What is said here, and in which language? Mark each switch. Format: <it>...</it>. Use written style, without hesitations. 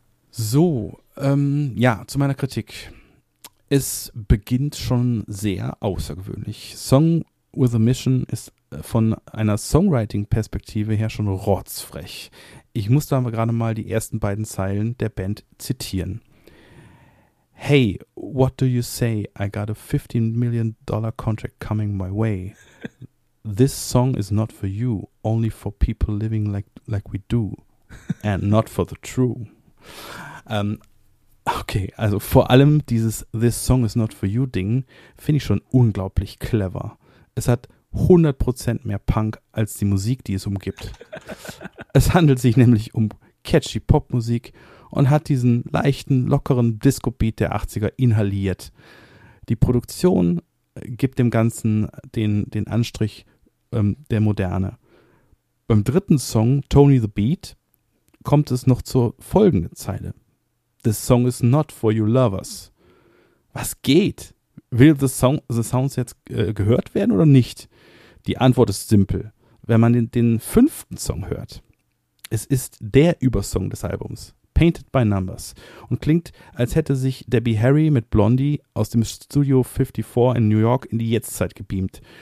<de>So, ja, zu meiner Kritik. Es beginnt schon sehr außergewöhnlich. Song with a Mission ist von einer Songwriting-Perspektive her schon rotzfrech. Ich muss da gerade mal die ersten beiden Zeilen der Band zitieren.</de> <en>Hey, what do you say? I got a $15 million contract coming my way. This song is not for you, only for people living like we do. And not for the true.</en> <de>Okay, also vor allem dieses</de> <en>This song is not for you</en> <de>Ding finde ich schon unglaublich clever. Es hat 100% mehr Punk als die Musik, die es umgibt. Es handelt sich nämlich um catchy Popmusik und hat diesen leichten, lockeren Disco-Beat der 80er inhaliert. Die Produktion gibt dem Ganzen den Anstrich der Moderne. Beim dritten Song, Tony the Beat, kommt es noch zur folgenden Zeile.</de> <en>This song is not for your lovers.</en> <de>Was geht? Will the sounds jetzt gehört werden oder nicht? Die Antwort ist simpel. Wenn man den fünften Song hört, es ist der Übersong des Albums, Painted by Numbers, und klingt, als hätte sich Debbie Harry mit Blondie aus dem Studio 54 in New York in die Jetztzeit gebeamt.</de>